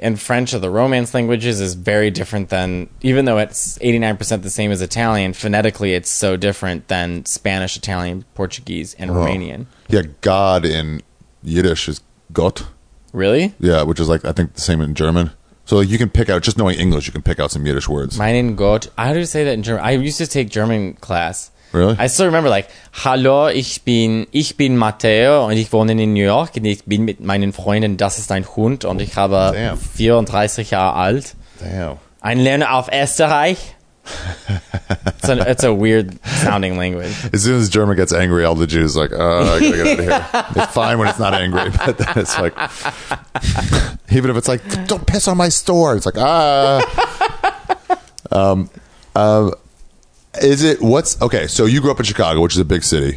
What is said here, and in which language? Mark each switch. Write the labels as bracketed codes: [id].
[en] And French of the Romance languages is very different than, even though it's 89% the same as Italian, phonetically it's so different than Spanish, Italian, Portuguese, and Romanian. Yeah, God in Yiddish is Gott. Really? Yeah, which is like, I think the same in German. So you can pick out, just knowing English, you can pick out some Yiddish words. [de] Mein Gott. [en] How do you say that in German? I used to take German class. Really? I still remember like, [de] Hallo, ich bin Matteo und ich wohne in New York und ich bin mit meinen Freunden, das ist ein Hund und ich habe 34 Jahre alt. [en] Damn. [de] Ein Lerner auf Österreich. [en] It's a weird sounding language. As soon as German gets angry, all the Jews are like, oh, I gotta get out of here. It's fine when it's not angry, but then it's like, even if it's like, don't piss on my store, it's like, is it, what's okay? So you grew up in Chicago, which is a big city.